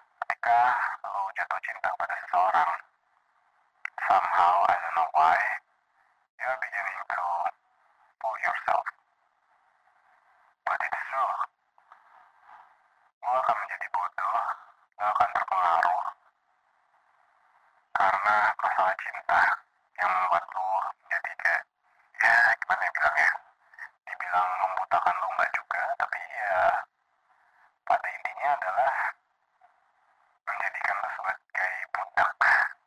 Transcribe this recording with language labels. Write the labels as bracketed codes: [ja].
[id] Apakah lo jatuh cinta pada seseorang? [en] Somehow, I don't know why, you're beginning to fool yourself. But it's true. [id] Lo akan menjadi bodoh, lo akan terpengaruh. Karena masalah cinta yang membuat lo menjadi kayak, ya gimana ya bilangnya? Dibilang membutakan lo enggak juga, tapi ya pada intinya adalah menjadikan lo sebagai budak.